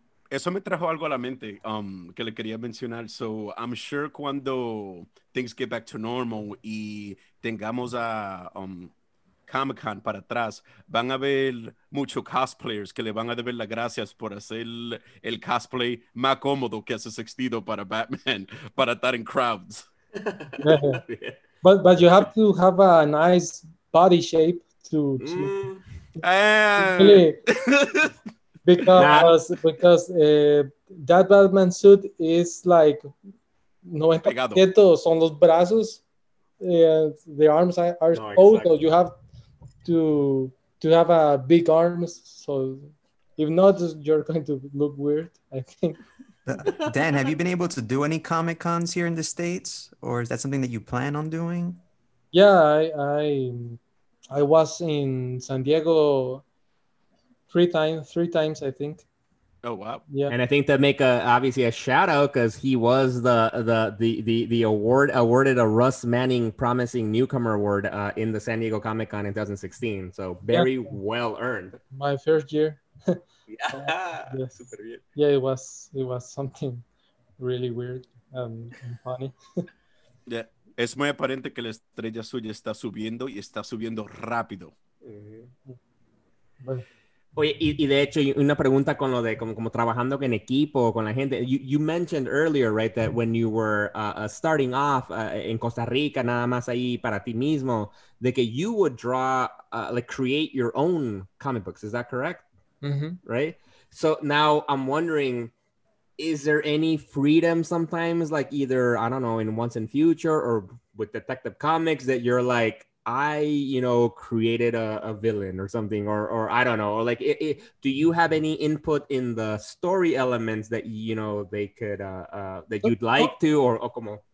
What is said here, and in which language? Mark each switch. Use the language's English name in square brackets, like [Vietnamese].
[Spanish] Eso me trajo algo a la mente que le quería mencionar. [English] So I'm sure [Spanish] cuando [English] things get back to normal [Spanish] y tengamos a Comic-Con para atrás, van a haber muchos cosplayers que le van a deber las gracias por hacer el cosplay más cómodo que hace sentido para Batman, para estar en crowds. [English] But you have to have a nice body shape to really. Because that Batman suit is like 90% [Spanish] son los brazos, [English] and the arms are exposed. Exactly. So you have to have a big arms. So if not, you're going to look weird, I think. Dan, have you been able to do any Comic Cons here in the States, or is that something that you plan on doing? Yeah, I was in San Diego. Three times, I think. Oh, wow. Yeah. And I think to make a shout out, because he was the awarded a Russ Manning Promising Newcomer Award in the San Diego Comic Con in 2016. So very well earned. My first year. Yeah. Super weird. Yeah, it was something really weird and funny. Yeah. [Spanish] Es muy aparente que la estrella suya está subiendo y está subiendo rápido. Bueno. Oye, y de hecho, una pregunta con lo de como trabajando en equipo, con la gente. [English] You mentioned earlier, right, that when you were starting off in Costa Rica, [Spanish] nada más ahí para ti mismo, de que [English] you would draw, like create your own comic books. Is that correct? Mm-hmm. Right? So now I'm wondering, is there any freedom sometimes, like either, I don't know, in Once in Future or with Detective Comics that you're like, I, you know, created a villain or something, or I don't know, or like, do you have any input in the story elements that, you know, they could, that you'd like to, or como?